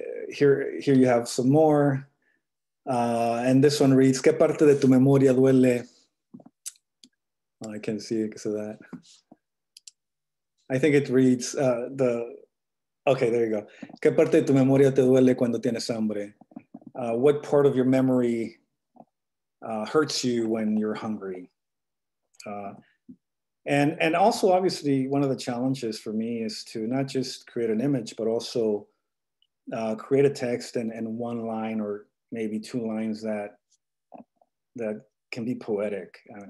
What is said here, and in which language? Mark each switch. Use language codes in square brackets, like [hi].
[en] here you have some more. And this one reads, [es] ¿Qué parte de tu memoria duele? [en] I can't see it because of that. I think it reads, okay, there you go. [es] ¿Qué parte de tu memoria te duele cuando tienes hambre? [en] What part of your memory hurts you when you're hungry? And also, obviously, one of the challenges for me is to not just create an image, but also create a text and one line or maybe two lines that can be poetic.